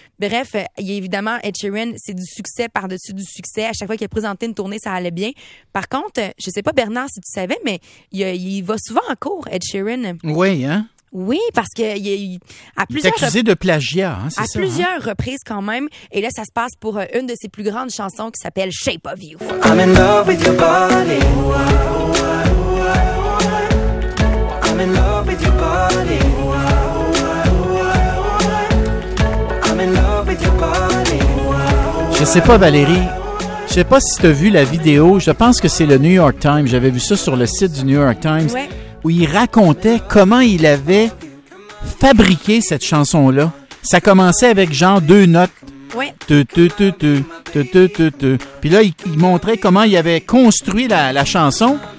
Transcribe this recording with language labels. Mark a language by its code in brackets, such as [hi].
[fr] Bref, il y a évidemment Ed Sheeran, c'est du succès par-dessus du succès. À chaque fois qu'il a présenté une tournée, ça allait bien. Par contre, je sais pas, Bernard, si tu savais, mais il va souvent en cours, Ed Sheeran. Oui, hein? Oui, parce que il est accusé de plagiat à plusieurs reprises quand même. Et là, ça se passe pour une de ses plus grandes chansons qui s'appelle Shape of You. [en] I'm in love with your body. I'm in love with your body. I'm in love with your body. [fr] Je sais pas, Valérie. Je sais pas si tu as vu la vidéo. Je pense que c'est le New York Times. J'avais vu ça sur le site du New York Times. Ouais. Où il racontait comment il avait fabriqué cette chanson-là. Ça commençait avec genre 2 notes. Ouais. Puis là, il montrait comment il avait construit la chanson.